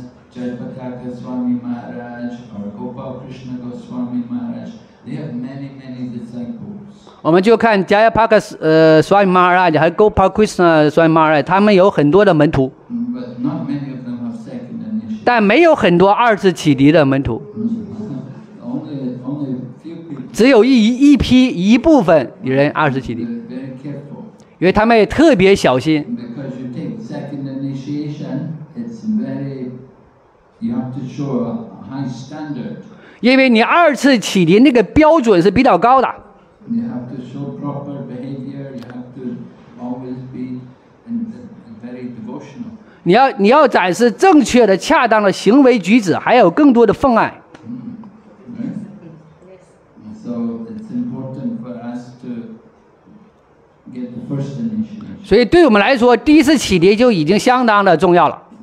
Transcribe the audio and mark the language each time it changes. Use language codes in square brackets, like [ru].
[en] Jayapataka Swami Maharaj or Gopal Krishna Goswami Maharaj, they have many, many disciples. [zh] 我们就看 Jayapataka Swami Maharaj 和 Gopal Krishna Swami Maharaj, 他们有很多的门徒。 [en] But not many of them have second initiation. [zh] 但没有很多二次启迪的门徒。 [en] Only few people. [zh] 只有一批一部分人二次启迪。 [en] They're very careful. [zh] 因为他们也特别小心。 [en] Because you take second initiation, it's very... You have to show a high standard. [zh] 因为你二次启迪那个标准是比较高的。 [en] You have to show proper behavior. You have to always be very devotional. [zh] 你要展示正确的、恰当的行为举止，还有更多的奉爱。 [en] Mm. Yes. So it's important for us to get the first initiation. [zh] 所以对我们来说，第一次启迪就已经相当的重要了。